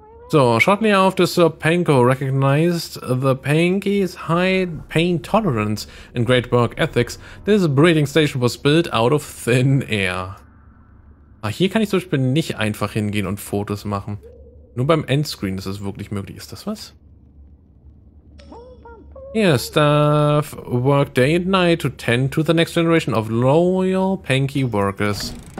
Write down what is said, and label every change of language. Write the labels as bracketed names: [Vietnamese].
[English] So, shortly after Sir Panko recognized the Panky's high pain tolerance and great work ethics, this breeding station was built out of thin air. [German] Ach, hier kann ich zum Beispiel nicht einfach hingehen und Fotos machen. Nur beim Endscreen ist es wirklich möglich. Ist das was? [English] Yeah, staff work day and night to tend to the next generation of loyal Panky workers.